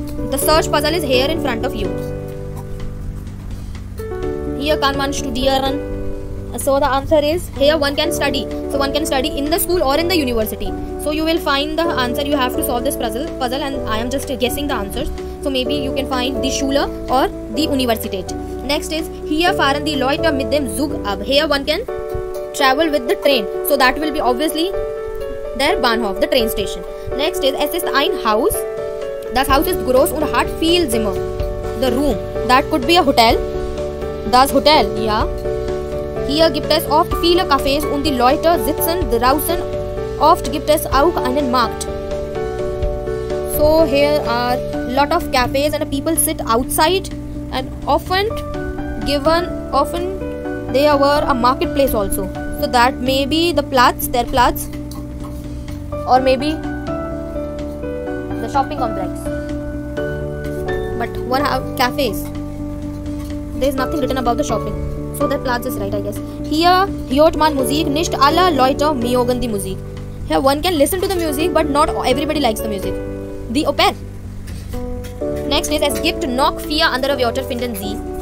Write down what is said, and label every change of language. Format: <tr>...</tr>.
<en>The search puzzle is here in front of you.</en> <de>Here kann man studieren.</de> <en>So the answer is, here one can study. So one can study in the school or in the university. So you will find the answer. You have to solve this puzzle, and I am just guessing the answers. So maybe you can find the Schule or the Universität. Next is,</en> <de>here fahren die Leute mit dem Zug ab.</de> <en>Here one can travel with the train. So that will be obviously their Bahnhof, the train station. Next is,</en> <de>es ist ein Haus. Das Haus ist groß und hat viel Zimmer.</de> <en>The room, that could be a hotel.</en> <de>Das Hotel, yeah. Here gibt es oft viele Cafés und die Leute sitzen draußen. Oft gibt es auch einen Markt.</de> <en>So here are lot of cafes and people sit outside, and often there were a marketplace also. So that may be the Platz, their Platz, or maybe the shopping complex. But what have cafes? There is nothing written about the shopping. So the Platz is right, I guess.</en> <de>Here hört man Musik, nicht alle Leute mögen die Musik.</de> <en>Here one can listen to the music, but not everybody likes the music. The au pair. Next is,</en> <de>es gibt noch vier andere Wörter, finden Sie.</de>